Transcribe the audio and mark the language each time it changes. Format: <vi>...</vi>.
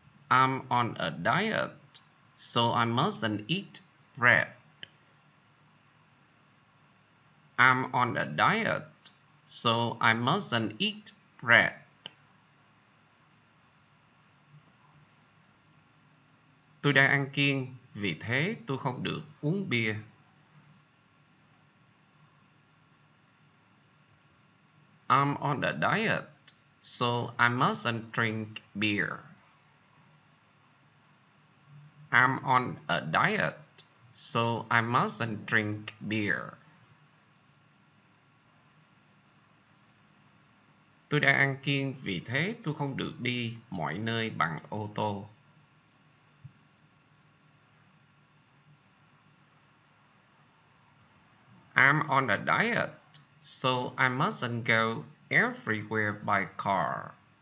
<en>I'm on a diet, so I mustn't eat bread. I'm on a diet, so I mustn't eat bread.</en> <vi>Tôi đang ăn kiêng, vì thế tôi không được uống bia.</vi> <en>I'm on a diet, so I mustn't drink beer. I'm on a diet, so I mustn't drink beer.</en> <vi>Tôi đang ăn kiêng, vì thế tôi không được đi mọi nơi bằng ô tô.</vi> <en>I'm on a diet, so I mustn't go everywhere by car.</en>